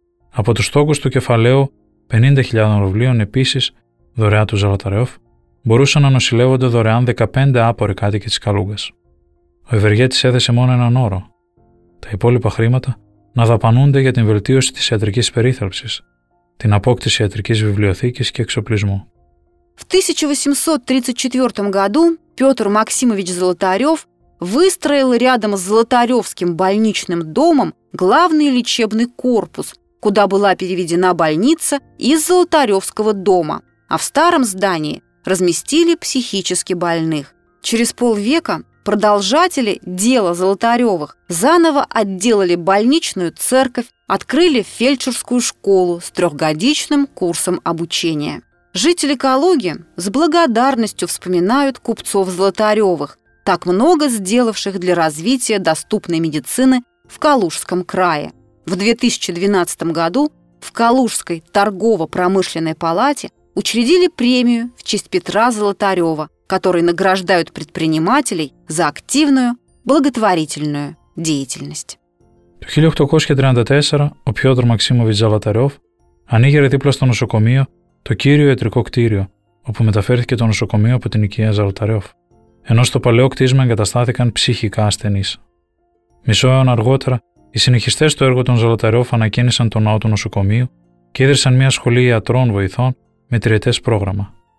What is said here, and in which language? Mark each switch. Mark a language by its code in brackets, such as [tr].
[el] Από τους στόχους του κεφαλαίου 50.000 ρουβλίων επίσης δωρεά του Ζαλαταρεύ μπορούσαν να νοσηλεύονται δωρεάν 15 άποροι κάτοικοι της Καλούγκας. Ο ευεργέτης έθεσε μόνο έναν όρο. Τα υπόλοιπα χρήματα να δαπανούνται για την βελτίωση της ιατρικής περίθαλψης, την απόκτηση ιατρικής βιβλιοθήκης και εξοπλισμού. [ru] В 1834 году Петр Максимович Золотарев выстроил рядом с Золотаревским больничным домом главный лечебный корпус, куда была переведена больница из Золотаревского дома, а в старом здании разместили психически больных. Через полвека продолжатели дела Золотаревых заново отделали больничную церковь, открыли фельдшерскую школу с трехгодичным курсом обучения. Жители Калуги с благодарностью вспоминают купцов Золотаревых, так много сделавших для развития доступной медицины в Калужском крае. В 2012 году в Калужской торгово-промышленной палате учредили премию в честь Петра Золотарева, который награждают предпринимателей за активную благотворительную деятельность. [el] Το 1834 ο Πιότρ Μαξίμοβιτς Ζαλατάρεφ ανήγερε δίπλα στο νοσοκομείο το κύριο ιατρικό κτίριο, όπου μεταφέρθηκε το νοσοκομείο από την οικία Ζαλατάρεφ, ενώ στο παλαιό κτίσμα εγκαταστάθηκαν ψυχικά ασθενείς. Μισό αιώνα αργότερα, οι συνεχιστές του έργου των Ζαλατάρεφ ανακαίνισαν τον ναό του νοσοκομείου και ίδρυσαν μια σχολή ιατρών βοηθών με τριετές πρόγραμμα.